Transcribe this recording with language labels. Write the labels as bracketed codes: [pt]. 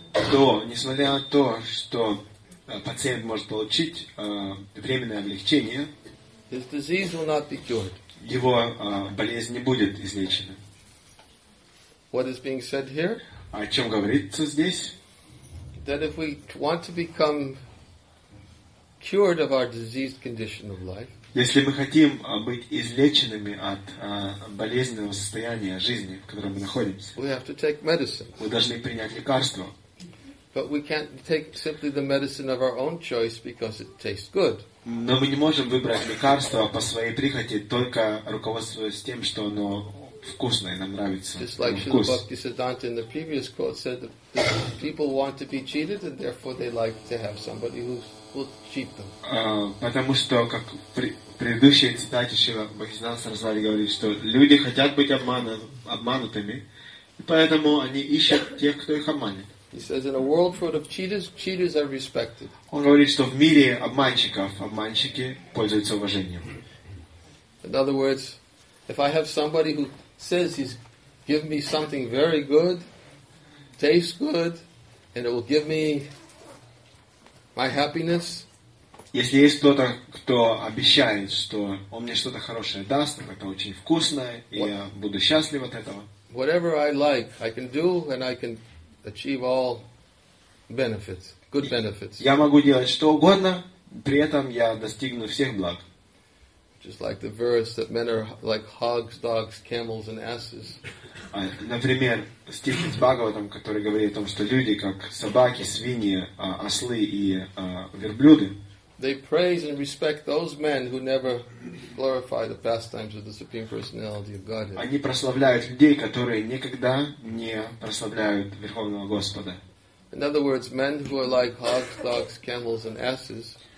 [ru] то, несмотря на то, что пациент может получить временное облегчение, [en] his disease will not be cured. [ru] Его болезнь не будет излечена. [en] What is being said here? [ru] О чём говорится здесь? [en] That if we want to become cured of our diseased condition of life, [ru] если мы хотим быть излеченными от болезненного состояния жизни, в котором мы находимся, [en] we have to take medicine. [ru] Мы должны принять лекарство. [en] But we can't take simply the medicine of our own choice because it tastes good. [ru] Но мы не можем выбрать лекарство по своей прихоти, только руководствуясь тем, что оно вкусное, нам нравится. [en] Just like Śrīla Bhaktisiddhānta in the previous quote said that people want to be cheated and therefore they like to have somebody who will cheat them. [ru] Потому что, как в предыдущей цитате Śrīla Bhaktisiddhānta Sarasvati говорит, что люди хотят быть обманутыми, и поэтому они ищут тех, кто их обманет. [en] He says, in a world full of cheaters, cheaters are respected. [ru] Он говорит, что в мире обманщиков, обманщики пользуются уважением. [en] In other words, if I have somebody who says he's give me something very good, tastes good, and it will give me my happiness. [ru] Если есть кто-то, кто обещает, что он мне что-то хорошее даст, это очень вкусное, и я буду счастлив от этого. [en] Whatever I like, I can do, and I can achieve all benefits, good benefits. [ru] Я могу делать что угодно, при этом я достигну всех благ. [en] Just like the verse that men are like hogs, dogs, camels and asses. [ru] Например, стих из Бхагаватам, который говорит о том, что люди как собаки, свиньи, ослы и верблюды. [en] They praise and respect those men who never glorify the pastimes of the Supreme Personality of Godhead. [ru] Они прославляют людей, которые никогда не прославляют Верховного Господа. [en] In other words, men who are like hogs, dogs, camels and asses.